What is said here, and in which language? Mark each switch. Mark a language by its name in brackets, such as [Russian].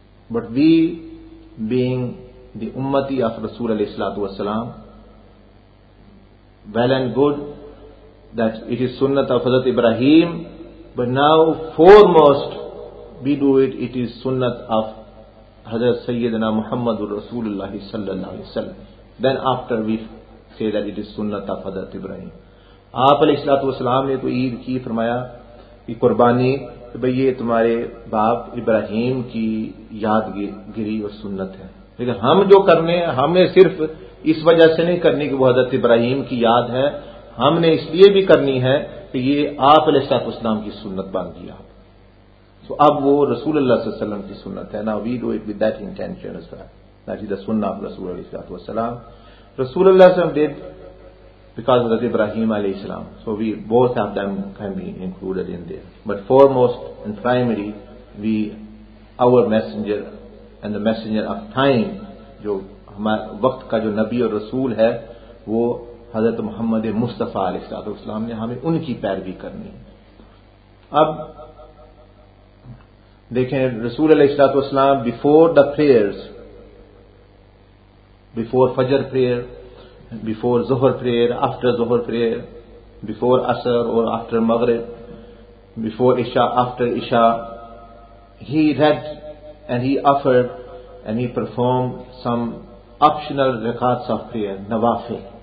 [English] But we, being the ummati of Rasul alayhi salatu wasalam, well and good that it is Sunnah of Hazrat Ibrahim, but now foremost we do it is Sunnah of Hazrat Sayyidina Muhammadur Rasulullah sallallahu alayhi wasalam. Then after we say that it is Sunnah of Hazrat Ibrahim. [Urdu] آپ علیہ الصلوۃ والسلام نے تو عید کی فرمایا کہ قربانی کہ بھئی یہ تمہارے باپ ابراہیم کی یادگیری اور سنت ہے. لیکن ہم جو کرنے ہمیں صرف اس وجہ سے نہیں کرنی کہ وہ حضرت ابراہیم کی یاد ہے, ہم نے اس لیے بھی کرنی ہے کہ یہ آپ علیہ الصلوۃ والسلام کی سنت بن گئی. آپ تو اب وہ رسول اللہ صلی اللہ علیہ وسلم کی سنت ہے. [English] Now we do it with that intention as well. That is the sunnah of رسول علیہ الصلوۃ والسلام. رسول اللہ صلی اللہ علیہ وسلم did because of Ibrahim alayhi salam. So we both of them can be included in there. But foremost and primary, we, our messenger and the messenger of time, [Urdu] جو وقت کا جو نبی اور رسول ہے وہ حضرت محمد مصطفیٰ علیہ السلام نے, ہمیں ان کی پیروی کرنی. اب دیکھیں [English] رسول علیہ السلام before the prayers, before فجر prayer, before Zuhr prayer, after Zuhr prayer, before Asr or after Maghrib, before Isha, after Isha, he read and he offered and he performed some optional rakats of prayer, nawafil.